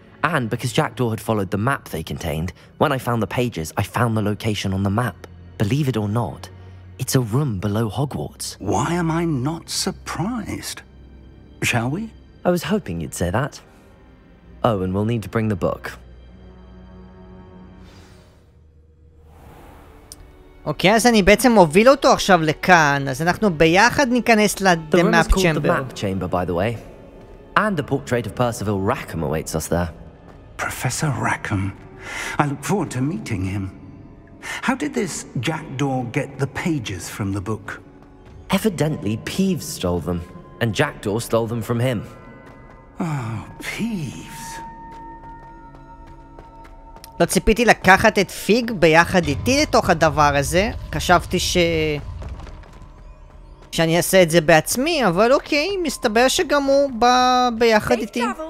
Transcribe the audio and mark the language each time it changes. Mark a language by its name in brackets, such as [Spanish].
[English] And because Jackdaw had followed the map they contained, when I found the pages, I found the location on the map. Believe it or not, it's a room below Hogwarts. Why am I not surprised? Shall we? I was hoping you'd say that. Oh, and we'll need to bring the book. [Hebrew] אוקיי, אז אני בעצם מוביל אותו עכשיו לכאן, אז אנחנו ביחד ניכנס ל-The Map Chamber. [English] The map chamber, by the way. And the portrait of Percival Rackham awaits us there. Professor Rackham. I look forward to meeting him. How did this Jackdaw get the pages from the book? Evidently, Peeves stole them, and Jackdaw stole them from him. Oh, Peeves. [Hebrew] לא ציפיתי לקחת את פיג ביחד איתי לתוך הדבר הזה. חשבתי ש... שאני אעשה את זה בעצמי, אבל אוקיי, מסתבר שגם הוא בא ביחד איתי.